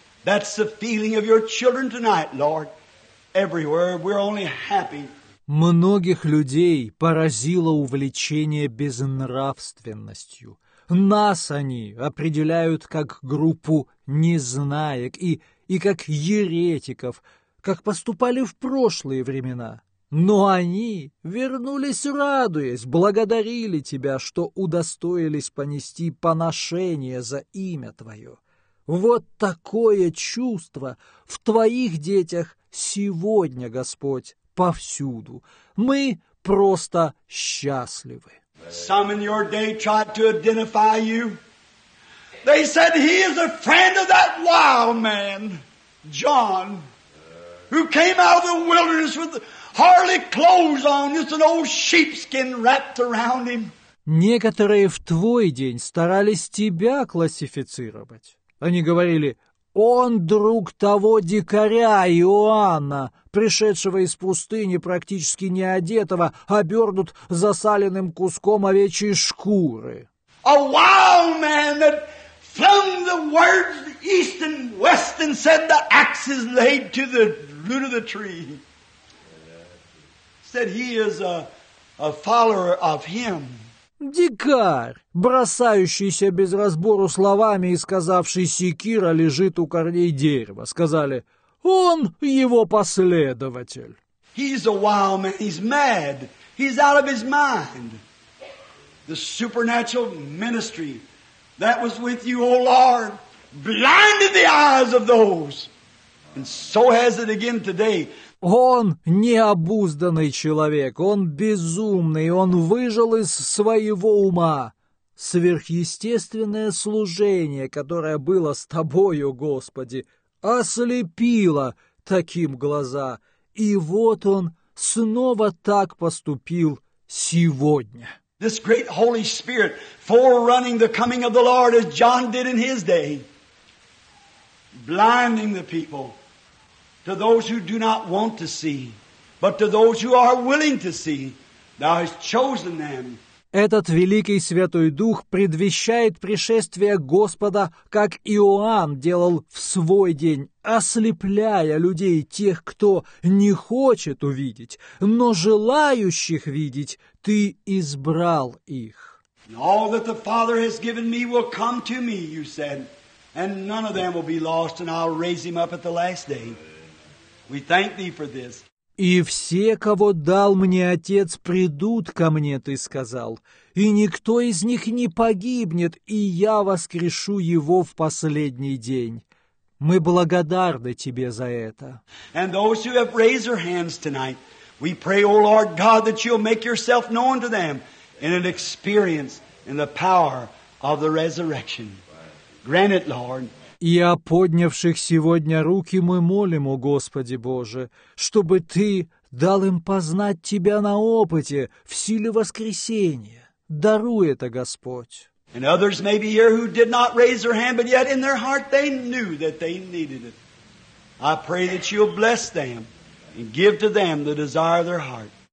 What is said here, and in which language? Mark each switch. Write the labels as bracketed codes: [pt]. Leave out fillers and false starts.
[en] That's the feeling of your children tonight, Lord. Everywhere, we're only happy. [ru] Многих людей поразило увлечение безнравственностью. Нас они определяют как группу незнаек и как еретиков, как поступали в прошлые времена. Но они вернулись, радуясь, благодарили Тебя, что удостоились понести поношение за имя Твое. Вот такое чувство в Твоих детях сегодня, Господь, повсюду. Мы просто счастливы. [en] Some in your day tried to identify you. They said he is a friend of that wild man, John. who came out of the wilderness with hardly clothes on, just an old sheepskin wrapped around him. [ru] Некоторые в твой день старались тебя классифицировать. Они говорили: «Он друг того дикаря Иоанна, пришедшего из пустыни, практически не одетого, обернут засаленным куском овечьей шкуры». [en] A wild man that flung the words east and west and said the axe is laid to the root of the tree. Said he is a follower of him. [ru] Дикарь, бросающийся без разбору словами и сказавший: «Секира лежит у корней дерева», сказали: «Он его последователь». [en] He's a wild man. He's mad. He's out of his mind. The supernatural ministry that was with you, O Lord, blinded the eyes of those. And so has it again today. [ru] Он необузданный человек, он безумный, он выжил из своего ума. Сверхъестественное служение, которое было с тобою, Господи, ослепило таким глаза. И вот он снова так поступил сегодня. [en] This great Holy Spirit forerunning the coming of the Lord as John did in his day, blinding the people. To those who do not want to see, but to those who are willing to see, thou hast chosen them. [ru] Этот великий Святой Дух предвещает пришествие Господа, как Иоанн делал в свой день, ослепляя людей, тех, кто не хочет увидеть, но желающих видеть, ты избрал их. [en] All that the Father has given me will come to me, you said, and none of them will be lost, and I'll raise him up at the last day. We thank thee for this. [ru] И все, кого дал мне Отец, придут ко мне, ты сказал, и никто из них не погибнет, и я воскрешу его в последний день. Мы благодарны тебе за это. [en] And those who have raised their hands tonight, we pray, O Lord God, that you'll make yourself known to them in an experience in the power of the resurrection. Grant it, Lord. [ru] И о поднявших сегодня руки мы молим, о Господи Боже, чтобы Ты дал им познать Тебя на опыте, в силе воскресения. Даруй это, Господь. [en] And others may be here who did not raise their hand, but yet in their heart they knew that they needed it. I pray that you'll bless them and give to them the desire of their heart.